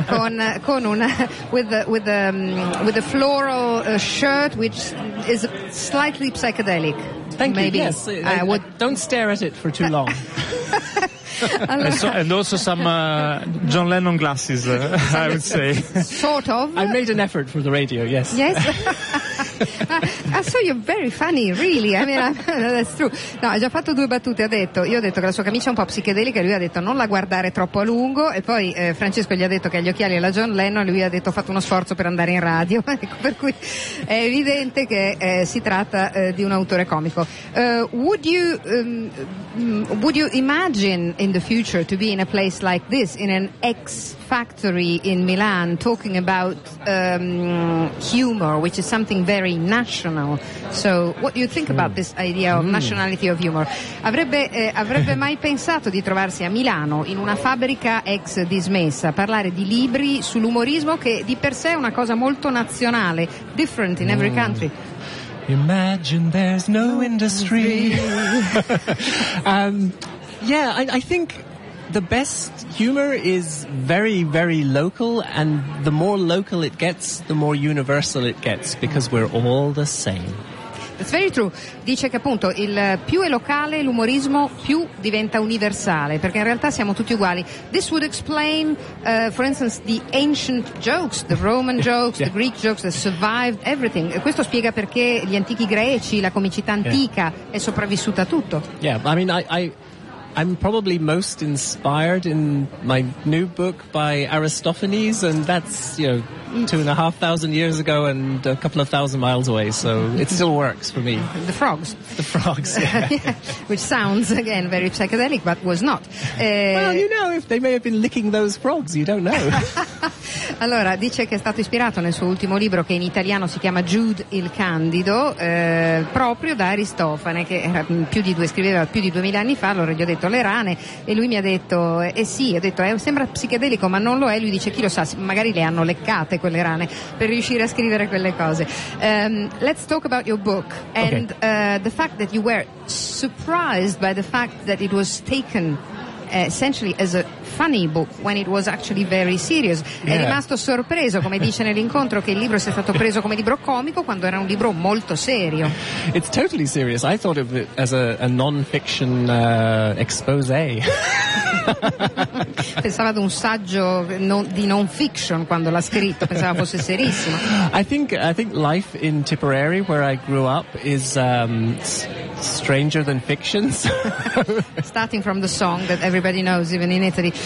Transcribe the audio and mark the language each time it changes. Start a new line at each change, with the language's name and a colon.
Italian: Con una
English: with a floral shirt which is slightly psychedelic. Thank maybe. You. Yes. I would. Don't stare at it for too long. And also some John Lennon glasses, I would say. Sort of. I made an effort for the radio, yes. Yes. I saw you're very funny, really. I mean, that's true.
Italian: No, ha già fatto due battute, ha detto. Io ho detto che la sua camicia è un po' psichedelica e lui ha detto non la guardare troppo a lungo. E poi Francesco gli ha detto che ha gli occhiali alla John Lennon e lui ha detto ho fatto uno sforzo per andare in radio. Ecco, per cui è evidente che si tratta di un autore comico.
English: Would you imagine in the future to be in a place like this, in an ex factory in Milan, talking about humor, which is something very national? So what do you think about this idea of nationality of humor?
Italian: Avrebbe mai pensato di trovarsi a Milano in una fabbrica ex dismessa a parlare di libri sull'umorismo, che di per sé è una cosa molto nazionale,
English: different in every country? Imagine there's no industry. I think the best humor is very, very local, and the more local it gets, the more universal it gets, because we're all the same. It's very true.
Italian: Dice che appunto il più è locale l'umorismo, più diventa universale, perché in realtà siamo tutti uguali.
English: This would explain, for instance, the ancient jokes, the Roman jokes, the Greek jokes that survived everything.
Italian: Questo spiega perché gli antichi greci, la comicità antica, è sopravvissuta a tutto.
English: Yeah, I mean, I'm probably most inspired in my new book by Aristophanes, and that's, you know, 2,500 years ago and a couple of thousand miles away, so it still works for me. The frogs. The frogs, yeah. Which sounds, again, very psychedelic, but was not. Well, you know, if they may have been licking those frogs, you don't know.
Italian: Allora, dice che è stato ispirato nel suo ultimo libro, che in italiano si chiama Jude il Candido, proprio da Aristofane, che era scriveva più di 2000 anni fa. Allora gli ho detto le rane e lui mi ha detto ho detto sembra psichedelico ma non lo è. Lui dice chi lo sa, magari le hanno leccate quelle rane per riuscire a scrivere quelle cose.
English: Let's talk about your book and the fact that you were surprised by the fact that it was taken essentially as a funny book when it was actually very serious.
Italian: È rimasto sorpreso, come dice nell'incontro, che il libro sia stato preso come libro comico quando era un libro molto serio.
English: It's totally serious. I thought of it as a non-fiction expose.
Italian: Pensava ad un saggio di non-fiction quando l'ha scritto, pensava fosse serissimo.
English: I think life in Tipperary, where I grew up, is stranger than fiction. Starting from the song that everybody knows, even in Italy.